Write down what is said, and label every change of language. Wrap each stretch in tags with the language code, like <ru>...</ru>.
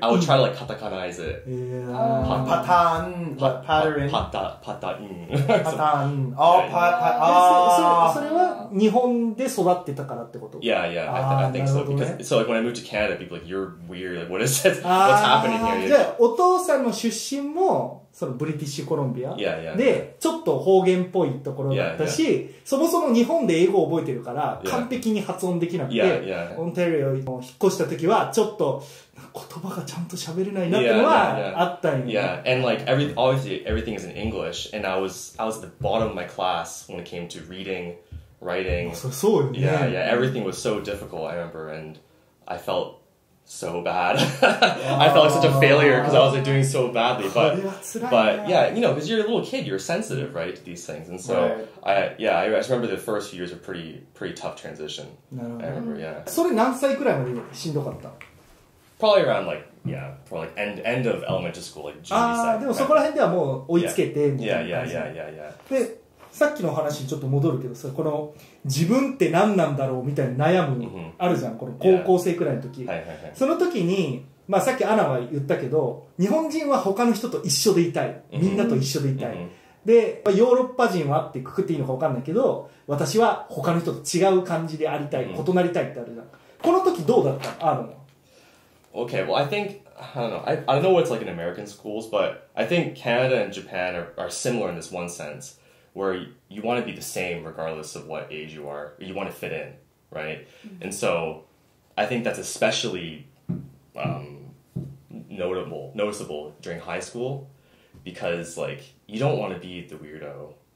<en>I would try to like katakanaize it. Yeah. Pattern. Pattern. Pattern. Pattern. Oh, pattern. Oh. So that was in Japan, right? Yeah. I think so. Because, so like when I moved to Canada, people like, you're weird. Like, what is this? What's happening here? Yeah.</en> <ja>お父さんの出身もそのブリティッシュコロンビア、</ja> <en>yeah, yeah, yeah.</en> <ja>でちょっと方言っぽいところだったし、</ja> <en>yeah, yeah.</en> <ja>そもそも日本で英語を覚えてるから完璧に発音できなくて、</ja> <en>yeah, yeah.</en> <ja>オンタリオに引っ越した時はちょっと言葉がちゃんと喋れないなってのはあったよね。</ja> <en>Yeah, and like obviously everything is in English, and I was at the bottom of my class when it came to reading, writing.</en> <ja>そうよね。</ja> <en>Yeah, yeah, everything was so difficult, I remember, and I feltso bad. I felt like such a failure because I was like doing so badly, but yeah, you know, because you're a little kid, you're sensitive, right, to these things. And so right. I just remember the first few years were pretty tough transition. I remember. Yeah.</en> <ja>それ何歳くらいまでしんどかった?</ja> <en>Probably around like, yeah, probably like end of elementary school, like junior high.</en> <ja>ああ、でもそこら辺ではもう追いつけてみたいな感じ。</ja> <en>Yeah.</en> <ja>で、さっきの話にちょっと戻るけど、この自分って何なんだろうみたいな悩むあるじゃん、この高校生くらいの時。</ja> <en>Yeah.</en> <ja>その時に、まあさっきアナは言ったけど、日本人は他の人と一緒でいたい。みんなと一緒でいたい。で、ヨーロッパ人はってくくっていいのか分かんないけど、私は他の人と違う感じでありたい、異なりたいってあるじゃん。この時どうだったの？あるの？</ja> <en>Okay, well, I think, I don't know what it's like in American schools, but I think Canada and Japan are similar in this one sense, where you want to be the same regardless of what age you are. You want to fit in, right? And so, I think that's especially noticeable during high school, because, like, you don't want to be the weirdo.</en>